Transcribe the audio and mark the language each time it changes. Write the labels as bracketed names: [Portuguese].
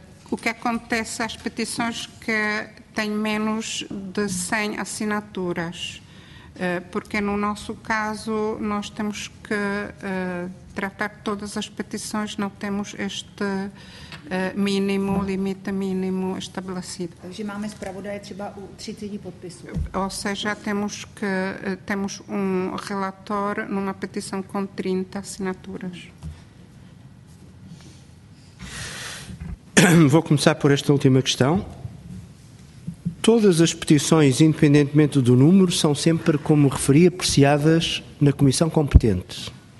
[Portuguese] O que acontece às petições que têm menos de 100 assinaturas? Porque no nosso caso nós temos que tratar todas as petições, não temos este mínimo, limite mínimo estabelecido. [Czech] Takže máme zpravodaje třeba u 30 podpisů. [Portuguese] Ou seja, temos um relator numa petição com 30 assinaturas. Vou começar por esta última questão. todas as petições, independentemente do número, são sempre, como referi, apreciadas na comissão competente.